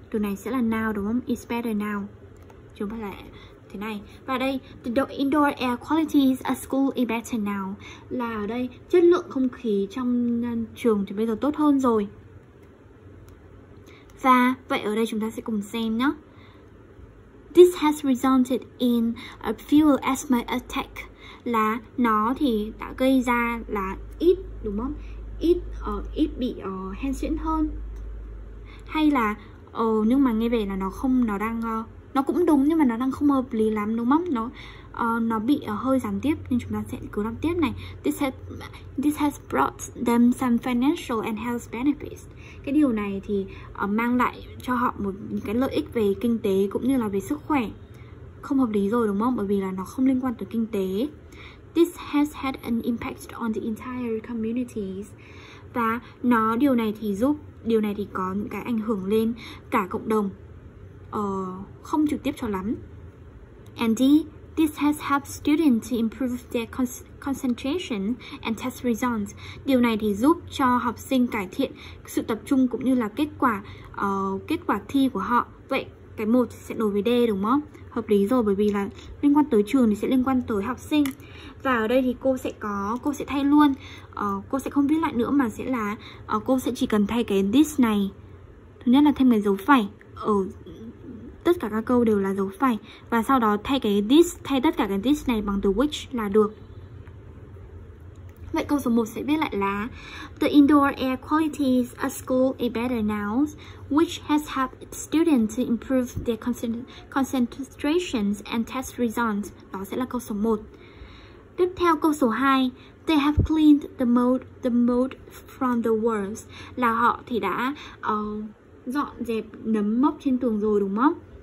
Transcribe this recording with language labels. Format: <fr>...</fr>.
<vi>Từ này sẽ là now đúng không?</vi> <en>It's better now.</en> <vi>Chúng ta lại thế này. Và đây,</vi> <en>the indoor air quality at school is better now.</en> <vi>Là ở đây, chất lượng không khí trong trường thì bây giờ tốt hơn rồi. Và vậy ở đây chúng ta sẽ cùng xem nhé.</vi> <en>This has resulted in a fewer asthma attack.</en> <vi>Là nó thì đã gây ra là ít, đúng không? Ít bị hen suyễn hơn. Hay là nhưng mà nghe về là nó không, nó đang nó cũng đúng nhưng mà nó đang không hợp lý lắm, đúng không? Nó bị hơi gián tiếp, nên chúng ta sẽ cứ đọc tiếp này.</vi> <en>This has brought them some financial and health benefits.</en> <vi>Cái điều này thì mang lại cho họ một cái lợi ích về kinh tế cũng như là về sức khỏe. Không hợp lý rồi đúng không? Bởi vì là nó không liên quan tới kinh tế.</vi> <en>This has had an impact on the entire communities.</en> <vi>Và nó điều này thì có những cái ảnh hưởng lên cả cộng đồng. Không trực tiếp cho lắm.</vi> <en>This has helped students to improve their concentration and test results.</en> <vi>Điều này thì giúp cho học sinh cải thiện sự tập trung cũng như là kết quả thi của họ. Vậy cái 1 sẽ đối với D đúng không? Hợp lý rồi, bởi vì là liên quan tới trường thì sẽ liên quan tới học sinh. Và ở đây thì cô sẽ thay luôn. Cô sẽ không viết lại nữa mà sẽ là cô sẽ chỉ cần thay cái this này. Thứ nhất là thêm cái dấu phẩy ở tất cả các câu đều là dấu phẩy, và sau đó thay tất cả cái this này bằng từ which là được. Vậy câu số 1 sẽ viết lại là</vi> <en>the indoor air quality at school is better now, which has helped students to improve their concentrations and test results.</en> <vi>Đó sẽ là câu số 1. Tiếp theo câu số 2,</vi> <en>they have cleaned the mold from the walls.</en> <vi>Là họ thì đã dọn dẹp nấm mốc trên tường rồi đúng không?</vi>